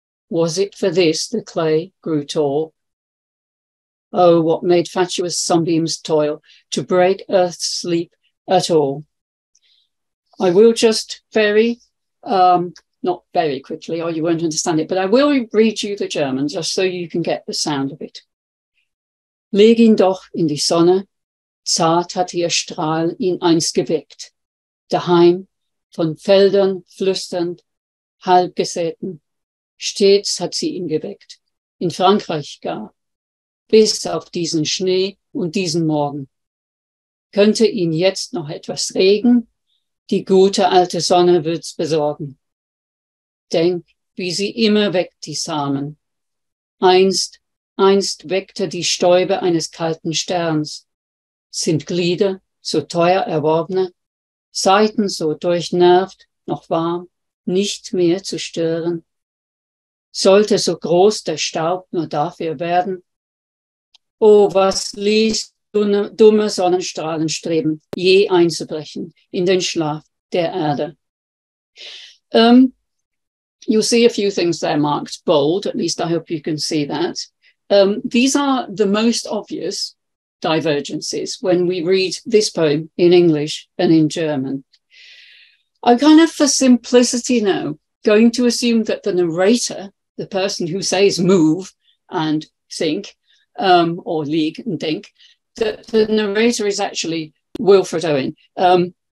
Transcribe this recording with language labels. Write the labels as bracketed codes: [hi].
[en] Was it for this the clay grew tall? Oh, what made fatuous sunbeams toil to break earth's sleep at all? I will just not very quickly, or you won't understand it, but I will read you the German just so you can get the sound of it. [de] Leg ihn doch in die Sonne, zart hat ihr Strahl ihn einst geweckt, daheim von Feldern flüsternd, halb gesäten, stets hat sie ihn geweckt, in Frankreich gar, bis auf diesen Schnee und diesen Morgen. Könnte ihn jetzt noch etwas regen, die gute alte Sonne wird's besorgen. Denk, wie sie immer weckt die Samen. Einst weckte die Stäube eines kalten Sterns, sind Glieder so teuer erworbene, Saiten so durchnervt, noch warm, nicht mehr zu stören. Sollte so groß der Staub nur dafür werden? O, was ließ dumme Sonnenstrahlen streben, je einzubrechen in den Schlaf der Erde. [en] You see a few things there marked bold, at least I hope you can see that. These are the most obvious divergences when we read this poem in English and in German. I'm kind of, for simplicity now, going to assume that the narrator, the person who says move and think, or lieg and denk, that the narrator is actually Wilfred Owen.